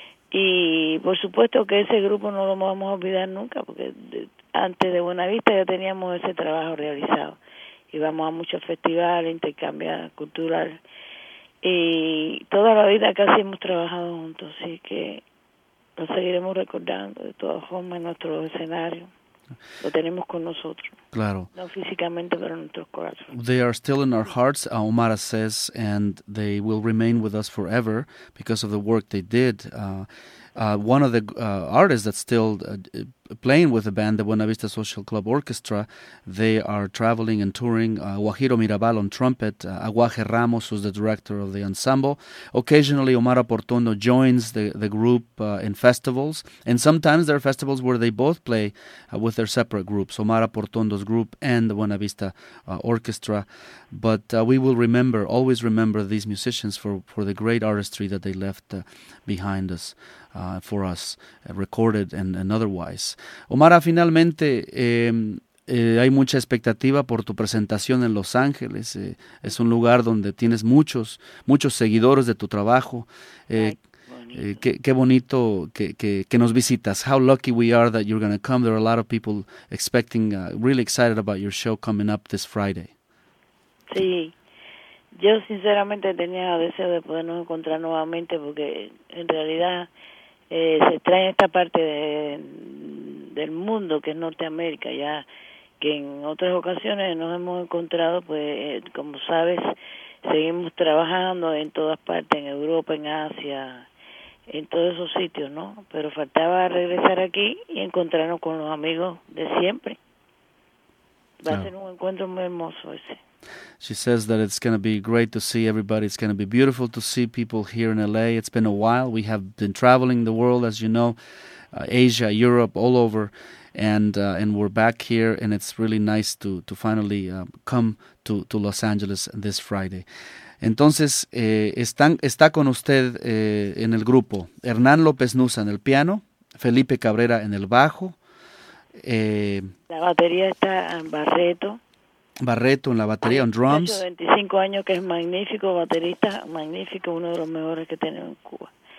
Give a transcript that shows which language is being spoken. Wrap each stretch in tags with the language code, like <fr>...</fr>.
<es>Y por supuesto que ese grupo no lo vamos a olvidar nunca, porque antes de Buenavista ya teníamos ese trabajo realizado. Íbamos a muchos festivales, intercambios culturales, y toda la vida casi hemos trabajado juntos, así que lo seguiremos recordando de todas formas en nuestro escenario. Lo tenemos con nosotros. Claro. No físicamente, pero en nuestros corazones.</es> <en>They are still in our hearts, Omara says, and they will remain with us forever because of the work they did. One of the artists that's still playing with the band, the Buena Vista Social Club Orchestra, they are traveling and touring. Guajiro Mirabal on trumpet, Aguaje Ramos, who's the director of the ensemble. Occasionally, Omara Portondo joins the group in festivals, and sometimes there are festivals where they both play with their separate groups, Omara Portondo's group and the Buena Vista Orchestra. But we will remember, always remember these musicians for the great artistry that they left behind us, for us, recorded and otherwise.</en> <es>Omara, finalmente, hay mucha expectativa por tu presentación en Los Ángeles. Es un lugar donde tienes muchos seguidores de tu trabajo. Qué bonito que nos visitas.</es> <en>How lucky we are that you're going to come. There are a lot of people expecting, really excited about your show coming up this Friday.</en> <es>Sí. Yo sinceramente tenía el deseo de podernos encontrar nuevamente porque en realidad se extraña esta parte del mundo que es Norteamérica, ya que en otras ocasiones nos hemos encontrado, pues como sabes, seguimos trabajando en todas partes, en Europa, en Asia, en todos esos sitios, ¿no? Pero faltaba regresar aquí y encontrarnos con los amigos de siempre. Va a ser un encuentro muy hermoso ese.</es> <en>She says that it's going to be great to see everybody. It's going to be beautiful to see people here in LA. It's been a while. We have been traveling the world, as you know, Asia, Europe, all over, and we're back here, and it's really nice to finally come to Los Angeles this Friday.</en> <es>Entonces, está con usted en el grupo Hernán López Nusa en el piano, Felipe Cabrera en el bajo. La batería está en Barreto. Barreto en la batería, en drums. 25 años, que es magnífico, baterista magnífico, uno de los mejores que tenemos en Cuba.</es>